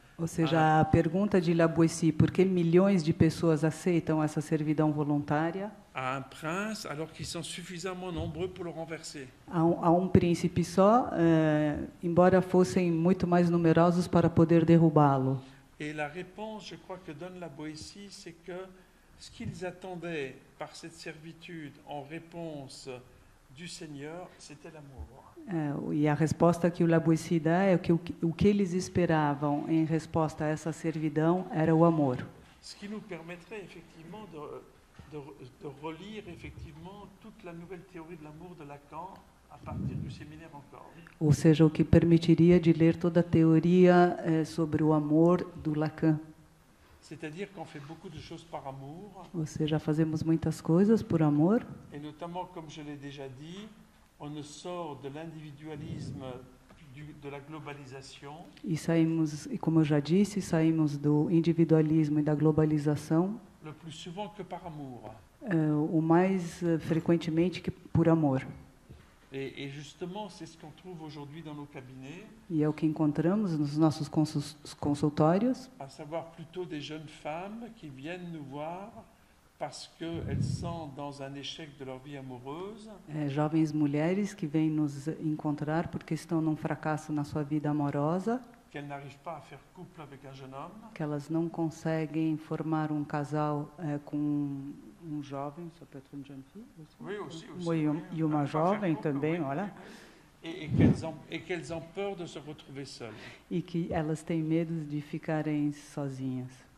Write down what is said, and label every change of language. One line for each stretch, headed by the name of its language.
Portuguese: Ou seja, a pergunta de La Boétie, por que milhões de pessoas aceitam essa servidão voluntária?
French: À un prince, alors qu'ils sont suffisamment nombreux pour le renverser.
Portuguese: A um príncipe só, embora fossem muito mais numerosos para poder derrubá-lo.
French: Et la réponse, je crois que donne La Boétie, c'est que ce qu'ils attendaient par cette servitude en réponse du Seigneur, c'était l'amour.
Portuguese: E a resposta que o La Boétie dá é que o que eles esperavam em resposta a essa servidão era o amor.
French: Ce qui nous permettrait effectivement de relire effectivement toute la nouvelle théorie de l'amour de Lacan à partir du séminaire encore.
Portuguese: Ou seja, o que permitiria de ler toda a teoria sobre o amor do Lacan.
French: C'est-à-dire qu'on fait beaucoup de choses par amour.
Portuguese: Ou seja, fazemos muitas coisas por amor.
French: Et notamment comme je l'ai déjà dit, on ne sort de l'individualisme de la globalisation.
Portuguese: E saímos, como eu já disse, saímos do individualismo e da globalização.
French: Le plus souvent que par amour.
Portuguese: O mais frequentemente que por amor.
French: Et justement, c'est ce qu'on trouve aujourd'hui dans nos cabinets.
Portuguese: E é o que encontramos nos nossos consultórios.
French: À savoir plutôt des jeunes femmes qui viennent nous voir parce qu'elles sont dans un échec de leur vie amoureuse.
Portuguese: Jovens mulheres que vêm nos encontrar porque estão num fracasso na sua vida amorosa.
French: Qu'elles n'arrivent pas à faire couple avec un jeune homme.
Portuguese: Que elas não conseguem formar um casal com um jovem, só para ter um
French: jeune fille. Oui, aussi, oui, aussi.
Portuguese: E uma jovem também,
French: oui.
Portuguese: Olha.
French: Et qu'elles ont peur de se retrouver seules.
Portuguese: E que elas têm medo de ficarem sozinhas.